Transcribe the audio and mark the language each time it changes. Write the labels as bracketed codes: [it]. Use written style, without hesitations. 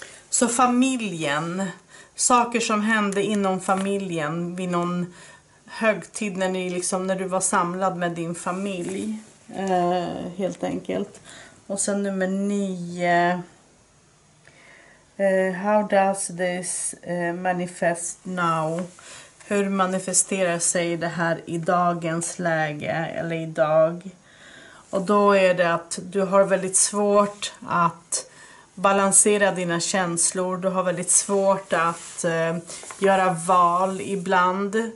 [sv] Så familjen, saker som hände inom familjen vid någon högtid när ni liksom, när du var samlad med din familj, helt enkelt. Och sen nummer 9. [en] How does this manifest now? [sv] Hur manifesterar sig det här i dagens läge eller idag? Och då är det att du har väldigt svårt att balansera dina känslor. Du har väldigt svårt att göra val ibland.